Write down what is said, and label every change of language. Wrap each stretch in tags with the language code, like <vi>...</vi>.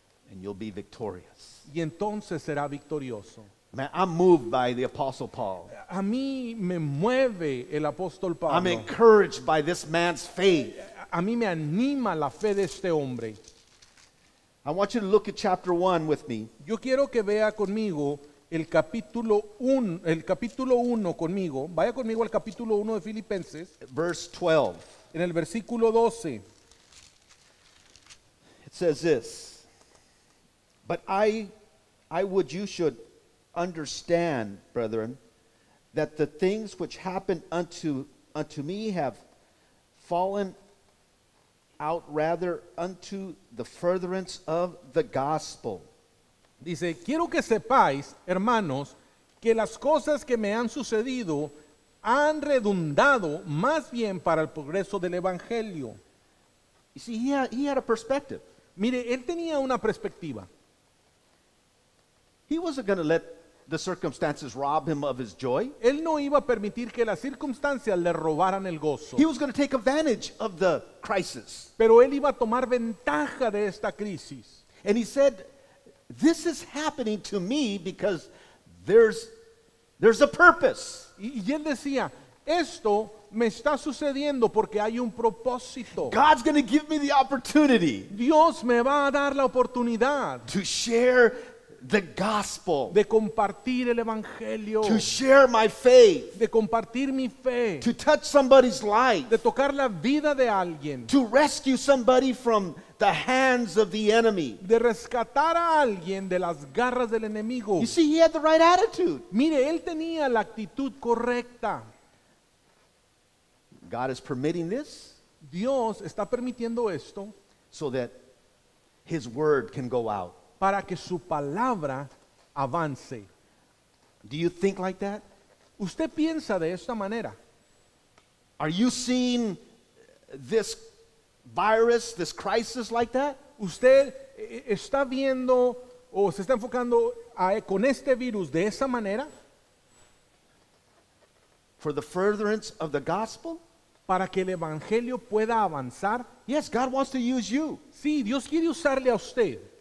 <en>And you'll be victorious.</en> <es>Y entonces será victorioso.</es> <en>Man, I'm moved by the Apostle Paul.</en> <es>A mí me mueve el apóstol Pablo.</es> <en>I'm encouraged by this man's faith.</en> <es>A mí me anima la fe de este hombre.</es> <en>I want you to look at chapter 1 with me.</en> <es>Yo quiero que vea conmigo el capítulo 1 conmigo. Vaya conmigo al capítulo 1 de Filipenses.</es> <en>Verse 12.</en> <es>En el versículo 12.</es> <en>It says this. But I would you should understand, brethren, that the things which happened unto me have fallen out rather unto the furtherance of the gospel.</en> <es>Dice, quiero que sepáis, hermanos, que las cosas que me han sucedido han redundado más bien para el progreso del evangelio.</es> <en>You see, he had a perspective.</en> <es>Mire, él tenía una perspectiva.</es> <en>He wasn't going to let the circumstances rob him of his joy.</en> <es>Él no iba a permitir que las circunstancias le robaran el gozo.</es> <en>He was going to take advantage of the crisis.</en> <es>Pero él iba a tomar ventaja de esta crisis.</es> <en>And he said, this is happening to me because there's a purpose.</en> <es>Y él decía, esto me está sucediendo porque hay un propósito.</es> <en>God's going to give me the opportunity.</en> <es>Dios me va a dar la oportunidad.</es> <en>To share the gospel.</en> <es>De compartir el evangelio.</es> <en>To share my faith.</en> <es>De compartir mi fe.</es> <en>To touch somebody's life.</en> <es>De tocar la vida de alguien.</es> <en>To rescue somebody from the hands of the enemy.</en> <es>De rescatar a alguien de las garras del enemigo.</es> <en>You see, he had the right attitude.</en> <es>Mire, él tenía la actitud correcta.</es> <en>God is permitting this.</en> <es>Dios está permitiendo esto.</es> <en>So that his word can go out.</en> <es>Para que su palabra avance.</es> <en>Do you think like that?</en> <es>¿Usted piensa de esta manera?</es> <en>Are you seeing this virus, this crisis like that?</en> <es>¿Usted está viendo o se está enfocando con este virus de esa manera?</es> <en>For the furtherance of the gospel?</en> <es>Para que el evangelio pueda avanzar.</es> <en>Yes, God wants to use you.</en> <es>Sí, Dios quiere usarle a usted.</es>